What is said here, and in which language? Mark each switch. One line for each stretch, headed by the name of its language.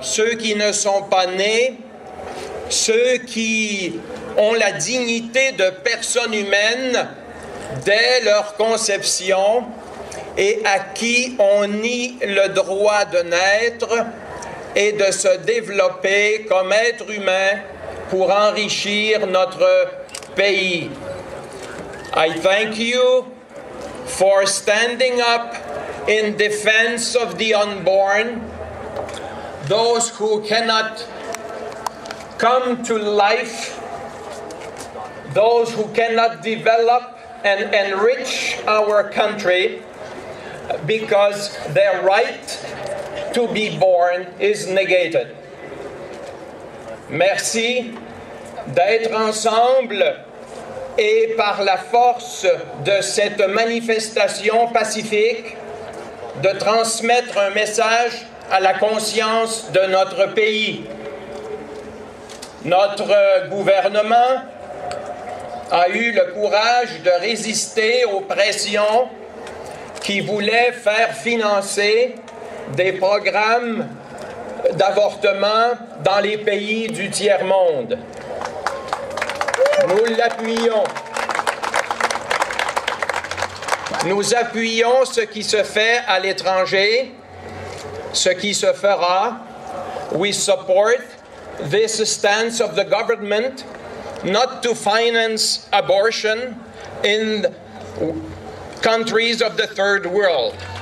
French: Ceux qui ne sont pas nés, ceux qui ont la dignité de personne humaine dès leur conception et à qui on nie le droit de naître et de se développer comme être humain pour enrichir notre pays.
English: I thank you for standing up in defense of the unborn, those who cannot come to life, those who cannot develop and enrich our country because their right to be born is negated.
French: Merci d'être ensemble et par la force de cette manifestation pacifique de transmettre un message à la conscience de notre pays. Notre gouvernement a eu le courage de résister aux pressions qui voulaient faire financer des programmes d'avortement dans les pays du tiers-monde. Nous l'appuyons. Nous appuyons ce qui se fait à l'étranger, ce qui se fera.
English: We support this stance of the government not to finance abortion in countries of the third world.